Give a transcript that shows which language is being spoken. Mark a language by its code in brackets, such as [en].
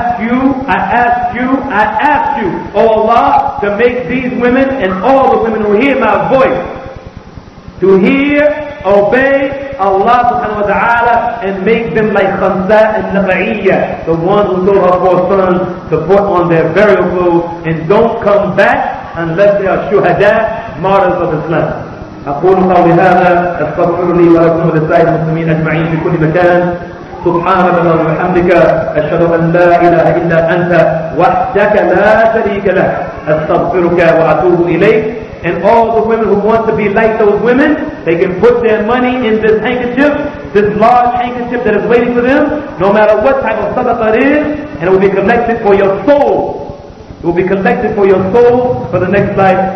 [en] I ask you, O Allah, to make these women and all the women who hear my voice to hear, obey Allah subhanahu wa ta'ala and make them like Khamsa al-Nabaiya, the one who told her 4 sons to put on their burial clothes and don't come back unless they are shuhada, martyrs of Islam. [ar] أقول قولي هذا، أستغفر لي ولكم ولسائر المسلمين أجمعين في كل مكان. سبحانك اللهم وبحمدك، أشهد أن لا إله إلا أنت وحدك لا شريك لك، أستغفرك وأتوب إليك. [en] And all the women who want to be like those women, they can put their money in this handkerchief, this large handkerchief that is waiting for them, no matter what type of sadaqah it is, and it will be collected for your soul. It will be collected for your soul for the next life.